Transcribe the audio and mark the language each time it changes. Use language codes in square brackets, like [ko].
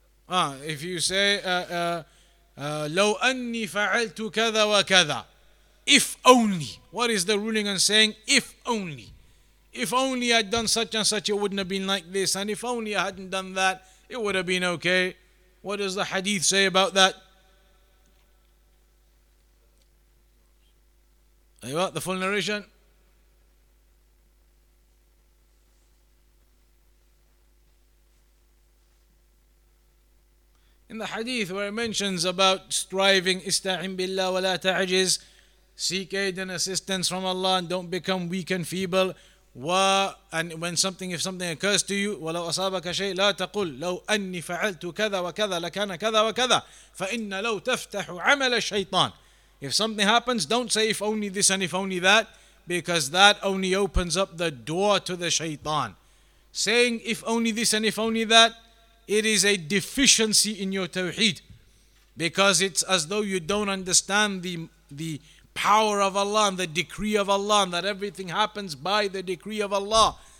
[en] If you say, [ar] لو أني فعلت كذا وكذا, [en] if only. What is the ruling on saying if only? If only I'd done such and such, it wouldn't have been like this. And if only I hadn't done that, it would have been okay. What does the hadith say about that? Are you got the full narration? In the hadith where it mentions about striving, [ar] استعين بالله ولا تعجز, [en] seek aid and assistance from Allah and don't become weak and feeble. And when something, if something occurs to you, [ar] ولو أصابك شيء لا تقول لو أني فعلت كذا وكذا لكان كذا وكذا فإن لو تفتح عمل الشيطان. [en] If something happens, don't say if only this and if only that, because that only opens up the door to the shaitan. Saying if only this and if only that, it is a deficiency in your tawheed, because it's as though you don't understand the power of Allah and the decree of Allah, and that everything happens by the decree of Allah.